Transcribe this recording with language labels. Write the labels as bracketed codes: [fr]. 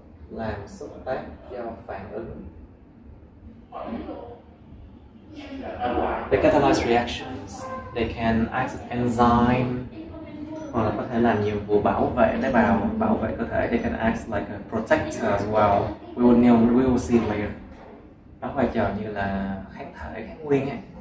[vi] Làm xúc tác cho phản ứng. [en] They catalyze reactions. They can act as enzyme. [vi] Hoặc là có thể làm nhiệm vụ bảo vệ tế bào, bảo vệ cơ thể. [en] They can act like a protector as well. We will see later. [vi] Nó vai trò như là kháng thể, kháng nguyên ấy.